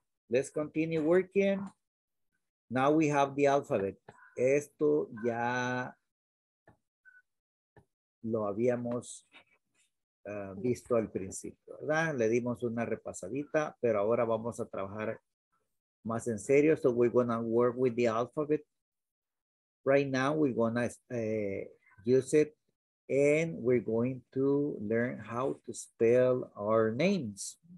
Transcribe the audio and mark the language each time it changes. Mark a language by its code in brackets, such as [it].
[en] Let's continue working. Now we have the alphabet. [es] esto ya lo habíamos visto al principio, ¿verdad? Le dimos una repasadita, pero ahora vamos a trabajar más en serio. [en] So we're going to work with the alphabet. Right now we're going to use it and we're going to learn how to spell our names.